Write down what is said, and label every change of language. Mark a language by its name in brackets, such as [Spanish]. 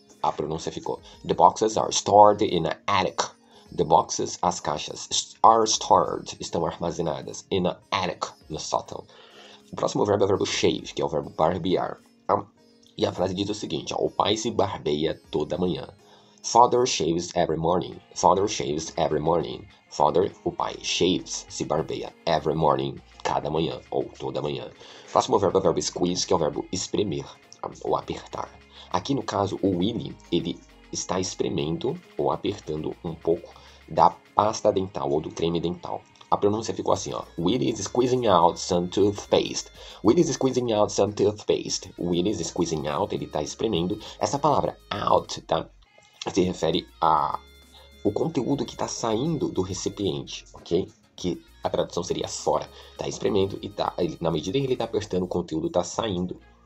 [Portuguese] A pronúncia ficou: [English] the boxes are stored in the attic. The boxes, [Portuguese] as caixas, [English] are stored, [Portuguese] estão armazenadas [English] in the attic, [Portuguese] no sótão. O próximo verbo é o verbo shave, que é o verbo barbear. E a frase diz o seguinte: ó, o pai se barbeia toda manhã. [English] Father shaves every morning. Father shaves every morning. [Portuguese] Father, o pai, shaves, se barbeia [English] every morning, [Portuguese] cada manhã ou toda manhã. Próximo verbo é o verbo squeeze, que é o verbo espremer ou apertar. Aqui no caso, o Willy, ele está espremendo ou apertando um pouco da pasta dental ou do creme dental. A pronúncia ficou assim, ó: [English] Willy is squeezing out some toothpaste. Willy is squeezing out some toothpaste. Willy is squeezing out, [Portuguese] ele está espremendo. Essa palavra out, tá? Se refere a o conteúdo que está saindo do recipiente, ok? Que a tradução seria fora. Está espremendo e tá, ele, na medida em que ele está apertando, o conteúdo está saindo.